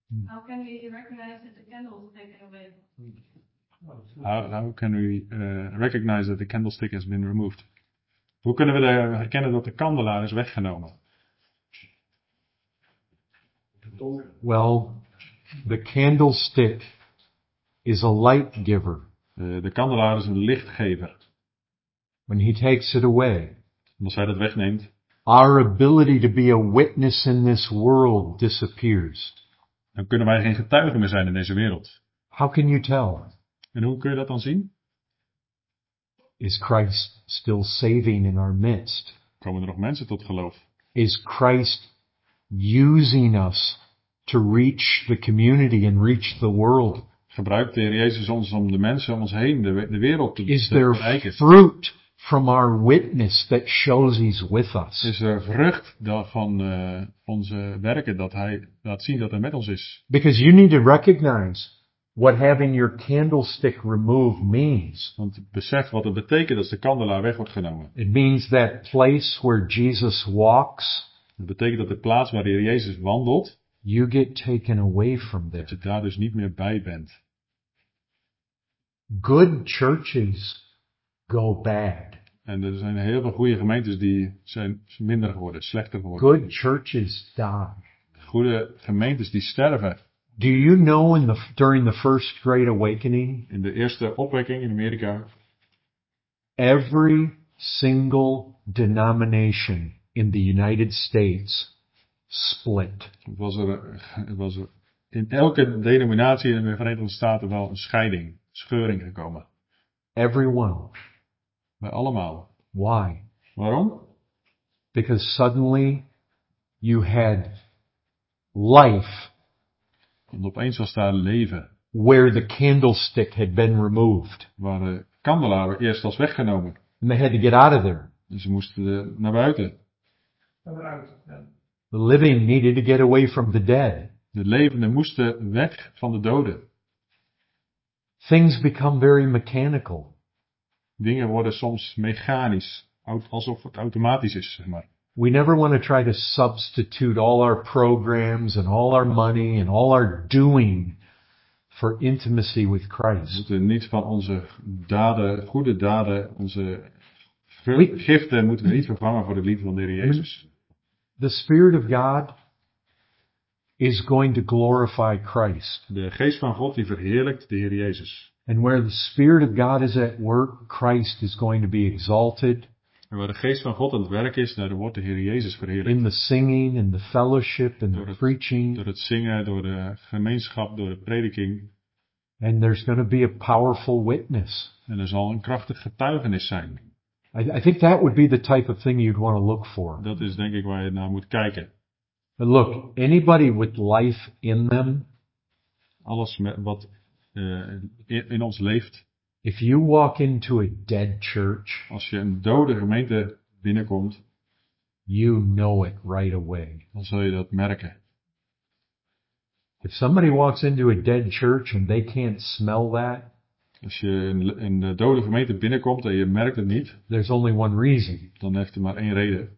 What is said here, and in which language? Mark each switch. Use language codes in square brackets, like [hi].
[en] How can we recognize that the candlestick has been removed? [nl] Hoe kunnen we herkennen dat de kandelaar is weggenomen? [en] Well, the candlestick is a light giver. [nl] De kandelaar is een lichtgever. [en] When he takes it away. [nl] Als hij dat wegneemt. [en] Our ability to be a witness in this world disappears. [nl] Dan kunnen wij geen getuigen meer zijn in deze wereld. [en] How can you tell? [nl] En hoe kun je dat dan zien? [en] Is Christ still saving in our midst? [nl] Komen er nog mensen tot geloof? [en] Is Christ using us to reach the community and reach the world? [nl] Gebruikt de Heer Jezus ons om de mensen om ons heen, de wereld te bereiken? [en] Is there fruit from our witness that shows He's with us? [nl] Is er vrucht van onze werken dat Hij laat zien dat Hij met ons is? [en] Because you need to recognize what having your candlestick removed means. [nl] Want besef wat het betekent als de kandelaar weg wordt genomen. [en] It means that place where Jesus walks. [nl] Het betekent dat de plaats waar de Heer Jezus wandelt. [en] You get taken away from there. [nl] Dat je daar dus niet meer bij bent. [en] Good churches go bad. [nl] En er zijn heel veel goede gemeentes die zijn minder geworden, slechter geworden. [en] Good churches die. [nl] Goede gemeentes die sterven. [en] Do you know during the first Great Awakening? [nl] In de eerste opwekking in Amerika. [en] Every single denomination in the United States split. [nl] Was er in elke denominatie in de Verenigde Staten wel een scheiding, scheuring gekomen? [en] Everyone. [nl] Bij allemaal. [en] Why? [nl] Waarom? [en] Because suddenly you had life. [nl] Want opeens was daar leven. [en] Where the candlestick had been removed. [nl] Waar de kandelaar eerst was weggenomen. [en] And they had to get out of there. [nl] En ze moesten naar buiten. [en] The living needed to get away from the dead. [nl] De levenden moesten weg van de doden. [en] Things become very mechanical. [nl] Dingen worden soms mechanisch, alsof het automatisch is, zeg maar. [en] We never want to try to substitute all our programs and all our money and all our doing for intimacy with Christ. [nl] We moeten niet van onze daden, goede daden, onze giften, moeten we niet vervangen voor de liefde van de Heer Jezus. [en] The Spirit of God is going to glorify Christ. [nl] De Geest van God die verheerlijkt de Heer Jezus. [en] And where the Spirit of God is at work, Christ is going to be exalted. [nl] En waar de Geest van God aan het werk is, daar wordt de Heer Jezus verheerlijkt. [en] In the singing, in the fellowship, in the preaching. [nl] Door het zingen, door de gemeenschap, door de prediking. [en] And there's going to be a powerful witness. [nl] En er zal een krachtig getuigenis zijn. [en] I think that would be the type of thing you'd want to look for. [nl] Dat is denk ik waar je naar moet kijken. [en] But look, anybody with life in them. [nl] Alles wat in ons leeft. [en] If you walk into a dead church, [nl] als je een dode gemeente binnenkomt, [en] you know it right away. [nl] Dan zul je dat merken. [en] If somebody walks into a dead church and they can't smell that, [nl] als je in de dode gemeente binnenkomt en je merkt het niet, [en] there's only one reason. [nl] Dan heeft er maar één reden.